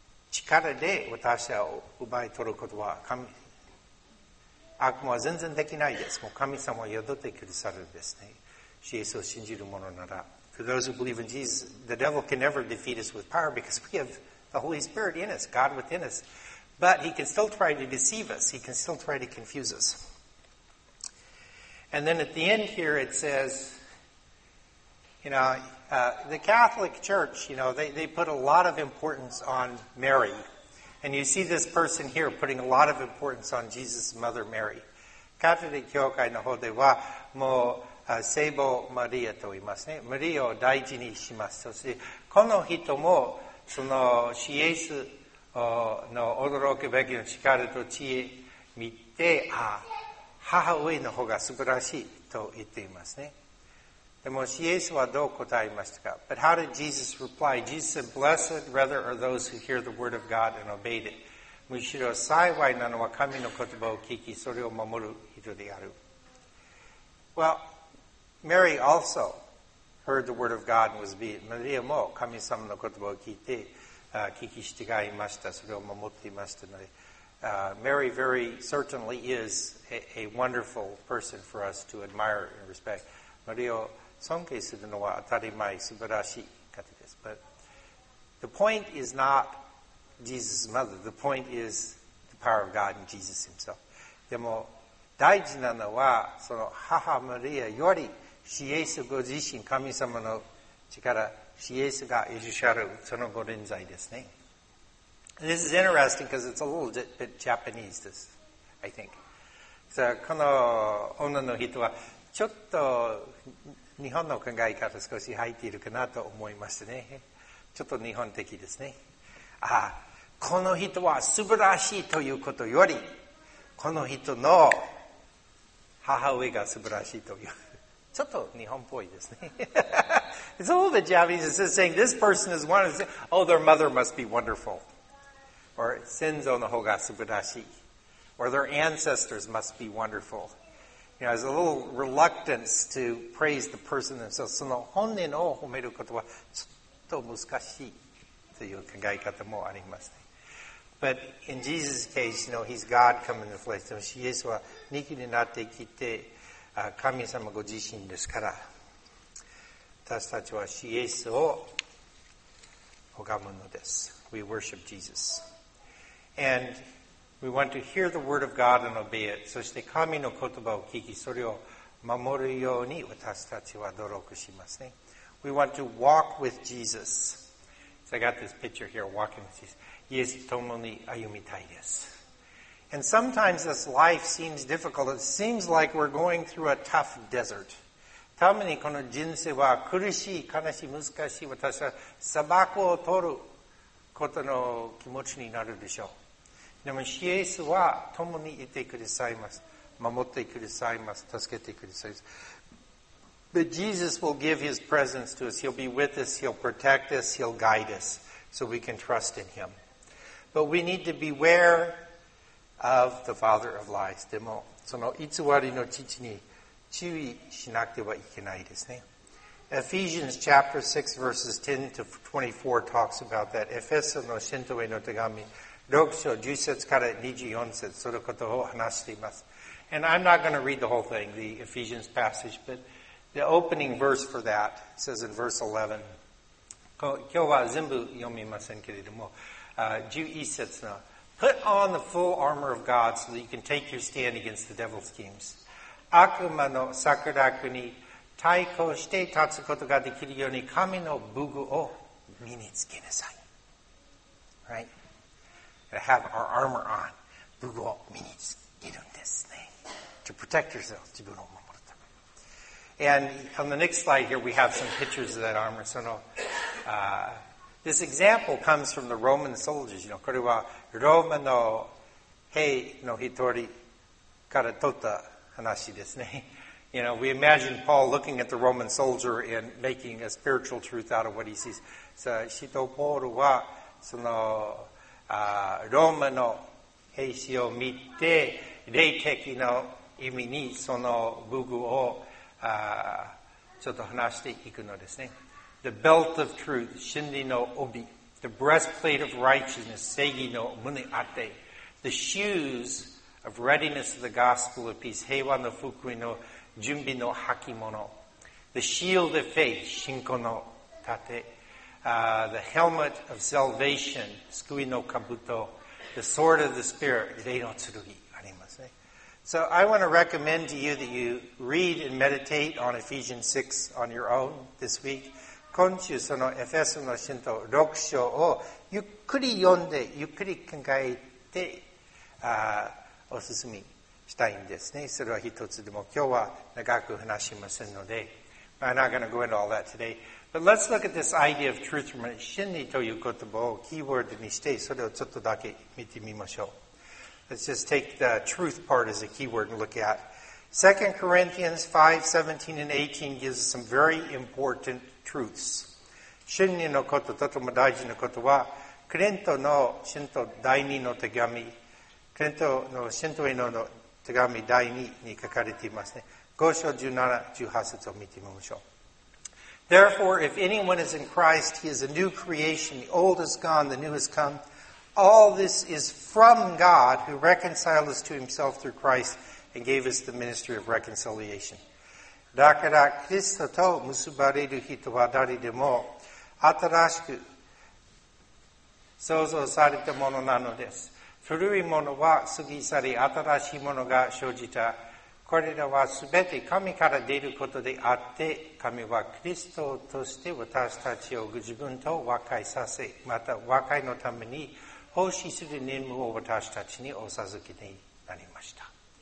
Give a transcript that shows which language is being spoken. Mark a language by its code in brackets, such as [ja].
[ja] 力で私を奪い取ることは神、悪魔は全然できないです。もう神様は宿ってくださるんですね。イエスを信じる者なら。 [en] For those who believe in Jesus, the devil can never defeat us with power because we have the Holy Spirit in us, God within us. But he can still try to deceive us. He can still try to confuse us. And then at the end here it says, you know, the Catholic Church, you know, they put a lot of importance on Mary. And you see this person here putting a lot of importance on Jesus' mother, Mary. [ja] Catholic Church の方ではもう聖母マリアと言いますね。マリアを大事にします。そしてこの人もそのシエスの驚くべきの力と知恵見て、あ、母上の方が素晴らしいと言っていますね。でもシエスはどう答えましたか ? [en] But how did Jesus reply? Jesus said, Blessed rather are those who hear the word of God and obeyed it. [ja] むしろ幸いなのは神の言葉を聞き、それを守る人である。 [en] Well,Mary also heard the word of God and was obedient. [ja] Maria も神様の言葉を聞いて、聞き従いました。それを守っていましたので。 [en] Mary very certainly is a wonderful person for us to admire and respect. [ja] Maria を尊敬するのは当たり前、素晴らしい方です。 [en] But the point is not Jesus' mother. The point is the power of God and Jesus himself. [ja] でも大事なのはその母マリアよりシエスご自身神様の力シエスがいらっしゃるそのご臨在ですね。 [en] This is interesting because it's a little bit Japanese, this, I think. [ja] So, この女の人はちょっと日本の考え方少し入っているかなと思いましたね。ちょっと日本的ですね。あ、この人は素晴らしいということよりこの人の母上が素晴らしいという。ちょっと日本っぽいですね。 [en] It's a little bit Japanese. It's just saying, this person is one. Oh, their mother must be wonderful. [ja] Or, 先祖の方が素晴らしい。 [en] Or, their ancestors must be wonderful. You know, there's a little reluctance to praise the person themselves. [ja] その本人を褒めることはちょっと難しいという考え方もありますね。 [en] But in Jesus' case, you know, he's God come in the flesh. [ja] でもイエスは肉になってきて、神様ご自身ですから、私たちはイエスを拝むのです。 [en] We worship Jesus. And we want to hear the word of God and obey it. [ja] そして神の言葉を聞き、それを守るように私たちは努力しますね。 [en] We want to walk with Jesus. So I got this picture here, walking with Jesus. [ja] イエスと共に歩みたいです。 [en] And sometimes this life seems difficult. It seems like we're going through a tough desert. [ja] たまにこの人生は苦しい、悲しい、難しい。私は砂漠を通ることの気持ちになるでしょう。でもイエスは共にいてくださいます。守ってくださいます。助けてくださいます。 [en] But Jesus will give his presence to us. He'll be with us. He'll protect us. He'll guide us so we can trust in him. But we need to beware of the father of lies. [ja] でも、その偽りの父に注意しなくてはいけないですね。 [en] Ephesians chapter 6 verses 10 to 24 talks about that. [ja] エフェソの信徒への手紙、6章10節から24節、そのことを話しています。 [en] And I'm not going to read the whole thing, the Ephesians passage, but the opening verse for that says in verse 11. [ja] 今日は全部読みませんけれども、 [en] Put on the full armor of God so that you can take your stand against the devil's schemes. [ja] 悪魔の策略に対抗して立つことができるように神の武具を身につけなさい。 [en] Right? To have our armor on. [ja] 武具を身につけるんですね。 [en] To protect yourself. [ja] 自分を守るため。 [en] And on the next slide here, we have some pictures of that armor. This example comes from the Roman soldiers. You know, [ja] これはローマの兵の一人から取った話ですね。 [en] You know, we imagine Paul looking at the Roman soldier and making a spiritual truth out of what he sees. [ja] So, 使徒ポールはそのローマの兵士を見て、霊的な意味にその武具をちょっと話していくのですね。 [en] The belt of truth, [ja] 真理の帯, [en] the breastplate of righteousness, [ja] 正義の胸当て, [en] the shoes of readiness of the gospel of peace, [ja] 平和の福音の準備の履物, [en] The shield of faith, [ja] 信仰の盾。 [en] The helmet of salvation, [ja] 救いの兜。 [en] The sword of the spirit, [ja] 霊の剣ありますね。 [en] So I want to recommend to you that you read and meditate on Ephesians 6 on your own this week. [ja] 今週そのエフェソの信徒6章をゆっくり読んで、ゆっくり考えて、お勧めしたいんですね。それは一つでも今日は長く話しませんので。 [en] I'm not going to go into all that today. But let's look at this idea of truth from [ja] 真理という言葉をキーワードにして、それをちょっとだけ見てみましょう。 [en] Let's just take the truth part as a keyword and look at. 2 Corinthians 5, 17 and 18 gives us some very important truths. [ja] 真理のこと、とても大事なことは、クレントの信徒第2の手紙、クレントの信徒への手紙第2に書かれていますね。 5章17、18節を見てみましょう。 [en] Therefore, if anyone is in Christ, he is a new creation. The old is gone, the new has come. All this is from God who reconciled us to himself through Christ and gave us the ministry of reconciliation. [ja] だから、キリストと結ばれる人は誰でも新しく創造されたものなのです。古いものは過ぎ去り、新しいものが生じた。これらはすべて神から出ることであって、神はキリストとして私たちを自分と和解させ、また和解のために奉仕する任務を私たちにお授けになりました。